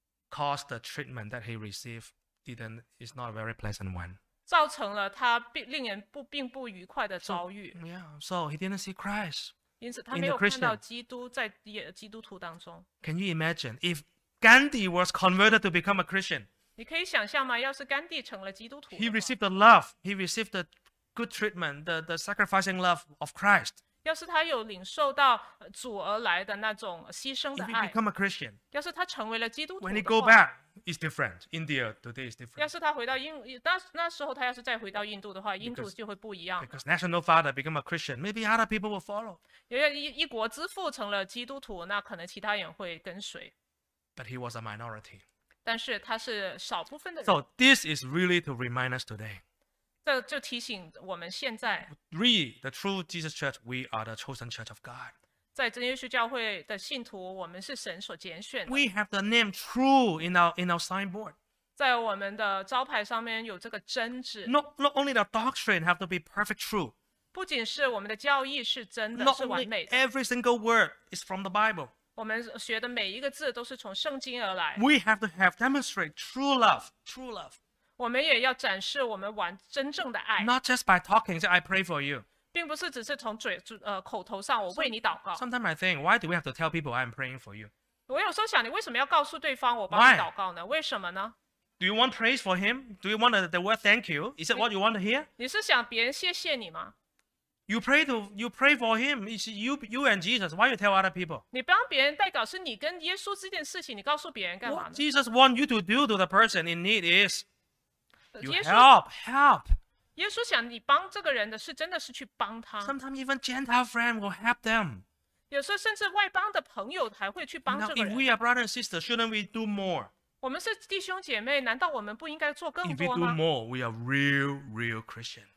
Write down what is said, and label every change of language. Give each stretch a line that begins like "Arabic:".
English: Caused the treatment that he received is not a very pleasant one.
Chinese: 造成了他令人并不愉快的遭遇。
English: So he didn't see Christ.
Chinese: 因此他没有看到基督在基督徒当中。
English: Can you imagine if Gandhi was converted to become a Christian?
Chinese: 你可以想象吗？要是甘地成了基督徒。
English: He received the love, he received the good treatment, the sacrificing love of Christ.
Chinese: 要是他有领受到主而来的那种牺牲的爱。
English: If he become a Christian,
Chinese: 要是他成为了基督徒的话。
English: When he go back, it's different. India today is different.
Chinese: 要是他回到印那时候他要是再回到印度的话，印度就会不一样。
English: Because national father become a Christian, maybe other people will follow.
Chinese: 因为一国之父成了基督徒，那可能其他人会跟随。
English: But he was a minority.
Chinese: 但是他是少部分的人。
English: So this is really to remind us today.
Chinese: 这就提醒我们现在
English: Read the true Jesus Church. We are the chosen church of God.
Chinese: 在真耶稣教会的信徒，我们是神所拣选的。
English: We have the name true in our signboard.
Chinese: 在我们的招牌上面有这个真字。
English: Not only the doctrine have to be perfect true.
Chinese: 不仅是我们的教义是真的，是完美的。
English: Every single word is from the Bible.
Chinese: 我们学的每一个字都是从圣经而来。
English: We have to have demonstrate true love. True love.
Chinese: 我们也要展示我们玩真正的爱。
English: Not just by talking, say I pray for you.
Chinese: 并不是只是从嘴口头上我为你祷告。
English: Sometimes I think, why do we have to tell people I'm praying for you?
Chinese: 我有时候想，你为什么要告诉对方我帮你祷告呢？为什么呢？
English: Do you want praise for him? Do you want the word thank you? Is that what you want to hear?
Chinese: 你是想别人谢谢你吗？
English: You pray for him. It's you and Jesus. Why you tell other people?
Chinese: 你帮别人代祷是你跟耶稣这件事情，你告诉别人干嘛呢？
English: What Jesus want you to do to the person in need is. You help.
Chinese: 耶稣想你帮这个人的是真的是去帮他。
English: Sometimes even Gentile friend will help them.
Chinese: 有时候甚至外邦的朋友还会去帮这个人。
English: Now, if we are brother and sister, shouldn't we do more?
Chinese: 我们是弟兄姐妹，难道我们不应该做更多吗？
English: If we do more, we are real, real Christian.